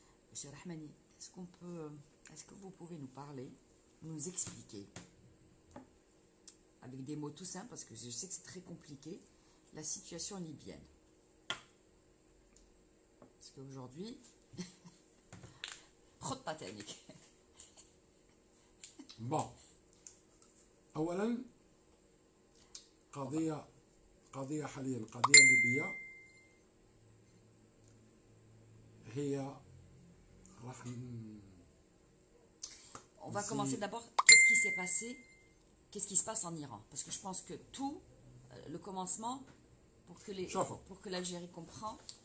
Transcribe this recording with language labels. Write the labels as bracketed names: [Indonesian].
[French] Monsieur Rahmani, est-ce qu'on peut, est-ce que vous pouvez nous parler, nous expliquer? Avec des mots tout simples, parce que je sais que c'est très compliqué, la situation libyenne. Parce qu'aujourd'hui, trop de patanique. Bon. [Arabic] أولا قضية حاليا قضية ليبيا هي راح. [French] On va commencer d'abord. Qu'est-ce qui s'est passé? Qu'est-ce qui se passe en Iran? Parce que je pense que tout, le commencement, pour que les, pour que l'Algérie comprend.